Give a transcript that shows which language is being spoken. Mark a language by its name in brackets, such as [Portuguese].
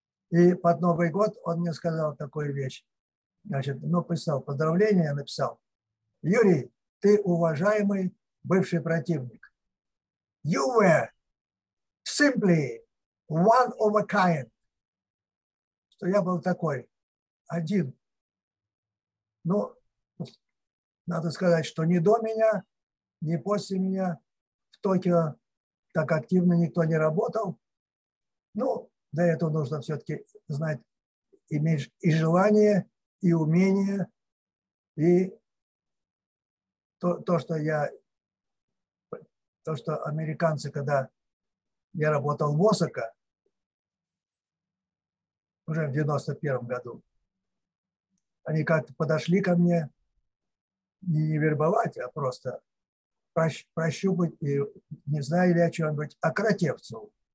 [Russian] И под Новый год он мне сказал такую вещь. Значит, ну, писал поздравление, я написал. Юрий, ты уважаемый бывший противник. [English] You were simply one of a kind. [Russian] Что я был такой, один. Ну, надо сказать, что ни до меня, ни после меня в Токио так активно никто не работал. Ну, для этого нужно все-таки знать имеешь и желание, и умение, и то, что американцы, когда я работал в Осака уже в 91-м году, они как-то подошли ко мне не вербовать, а просто прощупать, и не знаю ли о чем-нибудь, о Кратевцеву.